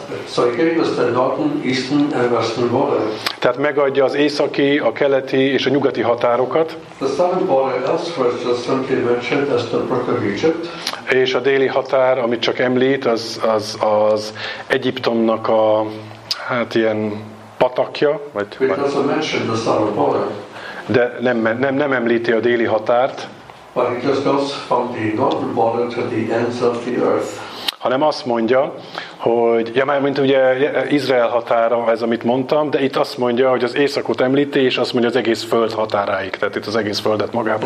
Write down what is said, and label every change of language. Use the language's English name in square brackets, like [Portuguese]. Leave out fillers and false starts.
[English] So he gave us the northern, eastern and western border. [Hungarian] Tehát megadja az északi, a keleti és a nyugati határokat. [English] The southern border elsewhere is just simply mentioned as the Brook of Egypt. [Hungarian] És a déli határ, amit csak említ, az Egyiptomnak a hát ilyen patakja, vagy [English] it also mentioned the southern border. [Hungarian] De nem említi a déli határt. [English] But it just goes from the northern border to the ends of the earth. [Hungarian] Hanem azt mondja, hogy mármint ugye Izrael határa ez, amit mondtam, de itt azt mondja, hogy az északot említi, és azt mondja az egész föld határáig, tehát itt az egész földet magába